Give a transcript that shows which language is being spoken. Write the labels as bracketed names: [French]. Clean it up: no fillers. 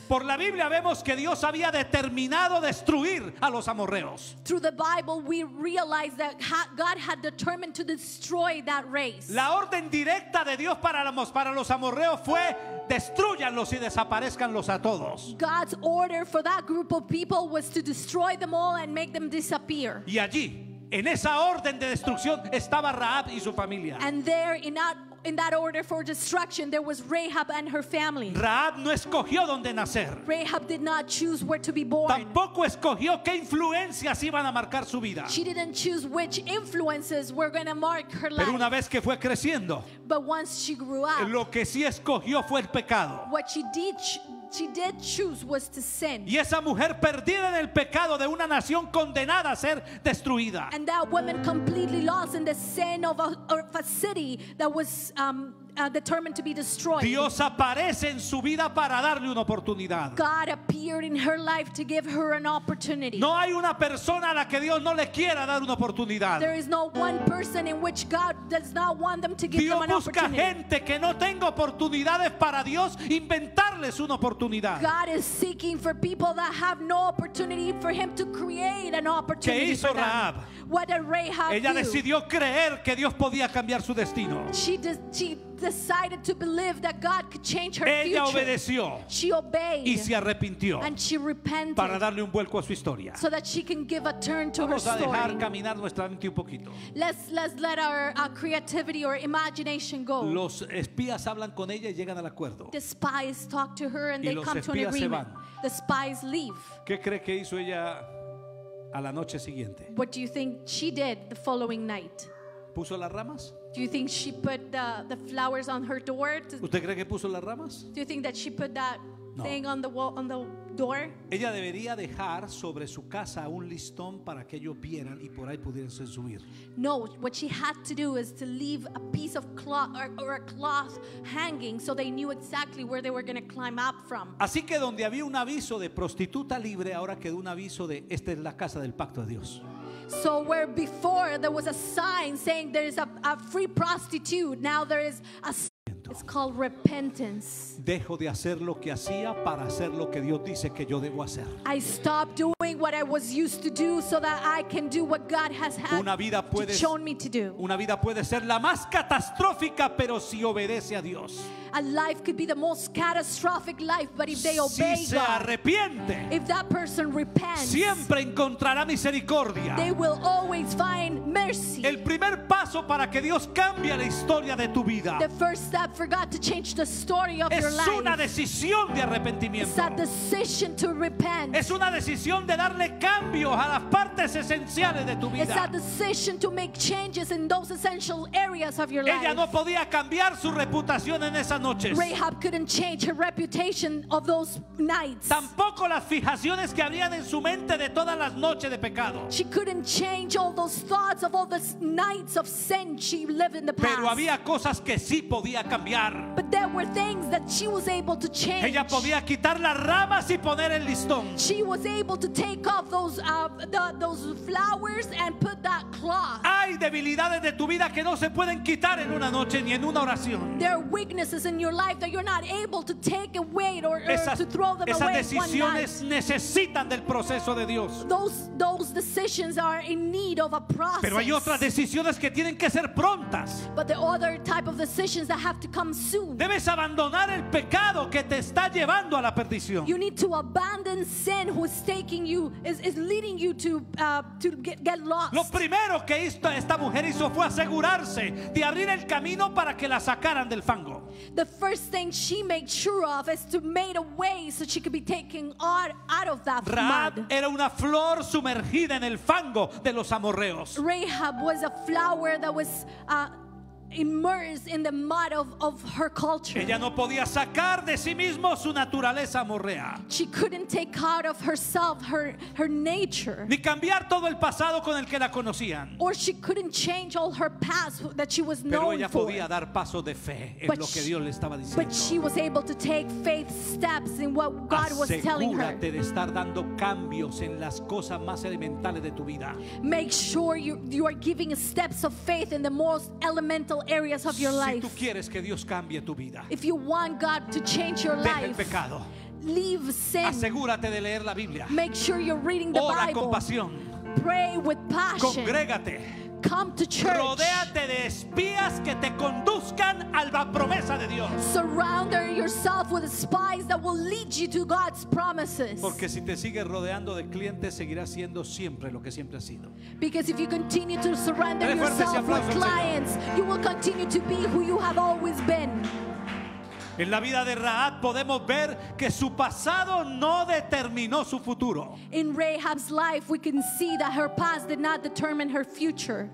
[Spanish] Por la Biblia vemos que Dios había determinado destruir a los amorreos. [English] Through the Bible we realize that God had determined to destroy that race. [Spanish] La orden directa de Dios para los amorreos fue destrúyanlos y desaparezcanlos a todos. [English] God's order for that group of people was to destroy them all and make them disappear. [Spanish] Y allí, en esa orden de destrucción, estaba Rahab y su familia. [English] And there, in that in that order for destruction, there was Rahab and her family. [Spanish] Rahab no escogió donde nacer. [English] Rahab did not choose where to be born. [Spanish] Tampoco escogió qué influencias iban a marcar su vida. [English] She didn't choose which influences were going to mark her life. [Spanish] Pero una vez que fue creciendo, [English] but once she grew up, [Spanish] lo que sí escogió fue el pecado. [English] What she did choose was to sin. [Spanish] Y esa mujer perdida en el pecado de una nación condenada a ser destruida. [English] And that woman completely lost in the sin of a city that was determined to be destroyed. [Spanish] Dios aparece en su vida para darle una oportunidad. [English] God appeared in her life to give her an opportunity. [Spanish] No hay una persona a la que Dios no le quiera dar una oportunidad. [English] There is no one person in which God does not want them to give [Spanish] Dios [English] them an opportunity. [Spanish] Dios busca gente que no tenga oportunidades para Dios inventarles una oportunidad. [English] God is seeking for people that have no opportunity for him to create an opportunity. [Spanish] ¿Qué hizo Rahab? [English] What did Rahab do? [Spanish] Ella decidió creer que Dios podía cambiar su destino. [English] She decided to believe that God could change her future. [Spanish] Ella obedeció. [English] She obeyed. [Spanish] Y se arrepintió. [English] And she repented. [Spanish] Para darle un vuelco a su historia. [English] So that she can give a turn to [Spanish] Vamos [English] her story. [Spanish] Vamos a dejar caminar nuestra mente un poquito. [English] Let's let our creativity or imagination go. [Spanish] Los espías hablan con ella y llegan al acuerdo. [English] The spies talk to her and they come to an agreement. The spies leave. [Spanish] ¿Qué cree que hizo ella a la noche siguiente? [English] What do you think she did the following night? [Spanish] ¿Puso las ramas? [English] Do you think she put the flowers on her door? [Spanish] ¿Usted cree que puso las ramas? [English] Do you think that she put that thing on the wall, on the door? [Spanish] Ella debería dejar sobre su casa un listón para que ellos vieran y por ahí pudieran subir. [English] No, what she had to do is to leave a piece of cloth or a cloth hanging so they knew exactly where they were going to climb up from. [Spanish] Así que donde había un aviso de prostituta libre, ahora quedó un aviso de esta es la casa del pacto de Dios. [English] So where before there was a sign saying there is a free prostitute, now there is a sign. It's called repentance. [Spanish] Dejo de hacer lo que hacía para hacer lo que Dios dice que yo debo hacer. [English] I stop doing what I was used to do so that I can do what God has had [Spanish] una vida puede, [English] shown me to do. [Spanish] Una vida puede ser la más catastrófica, pero si obedece a Dios. [English] A life could be the most catastrophic life, but if they [Spanish] si [English] obey [Spanish] se arrepiente, [English] God, if that person repents, [Spanish] siempre encontrará misericordia. [English] They will always find mercy. [Spanish] El primer paso para que Dios cambie la historia de tu vida. [English] The first step for God to change the story of [Spanish] es [English] your life. [Spanish] Es una decisión de arrepentimiento. [English] It's a decision to repent. [Spanish] Es una decisión de darle cambios a las partes esenciales de tu vida. [English] It's a decision to make changes in those essential areas of your life. [Spanish] Ella no podía cambiar su reputación en [English] Rahab couldn't change her reputation of those nights. [Spanish] Tampoco las fijaciones que habían en su mente de todas las noches de pecado. [English] She couldn't change all those thoughts of all the nights of sin she lived in the past. [Spanish] Pero había cosas que sí podía cambiar. [English] But there were things that she was able to change. [Spanish] Ella podía quitar las ramas y poner el listón. [English] She was able to take off those flowers and put that cloth. [Spanish] Hay debilidades de tu vida que no se pueden quitar en una noche ni en una oración. [English] There are weaknesses in your life that you're not able to take away or to throw them [Spanish] esas [English] away. [Spanish] Esas decisiones [English] one night. [Spanish] Necesitan del proceso de Dios. [English] Those decisions are in need of a process. [Spanish] Pero hay otras decisiones que tienen que ser prontas. [English] But the other type of decisions that have to come soon. [Spanish] Debes abandonar el pecado que te está llevando a la perdición. [English] You need to abandon sin who is taking you is leading you to get lost. [Spanish] Lo primero que esta mujer hizo fue asegurarse de abrir el camino para que la sacaran del fango. [English] The first thing she made sure of is to make a way so she could be taken out of that mud. [Spanish] Rahab era una flor sumergida en el fango de los amorreos. [English] Rahab was a flower that was immersed in the mud of her culture. [Spanish] Ella no podía sacar de sí mismo su naturaleza amorrea. [English] She couldn't take out of herself her nature. [Spanish] Ni cambiar todo el pasado con el que la conocían. [English] Or she couldn't change all her past that she was known for. [Spanish] Pero ella podía dar paso de fe en lo que Dios le estaba diciendo. [English] But she was able to take faith steps in what God was telling her. [Spanish] Asegúrate de estar dando cambios en las cosas más elementales de tu vida. [English] Make sure you are giving steps of faith in the most elemental areas of your life. [Spanish] Si tú quieres que Dios cambie tu vida, [English] if you want God to change your [Spanish] deja [English] life, [Spanish] el pecado. [English] Leave sin. [Spanish] Asegúrate de leer la Biblia. [English] Make sure you're reading the [Spanish] Ora [English] Bible. [Spanish] Con pasión. [English] Pray with passion. [Spanish] Congrégate. [English] come to church. [Spanish] Rodéate de espías que te conduzcan a la promesa de Dios. [English] Surround yourself with spies that will lead you to God's promises. [Spanish] Porque si te sigues rodeando de clientes, seguirás siendo siempre lo que siempre has sido. [English] Because if you continue to surround yourself with clients, you will continue to be who you have always been. [Spanish] En la vida de Rahab podemos ver que su pasado no determinó su futuro. [English] In Rahab's life we can see that her past did not determine her future.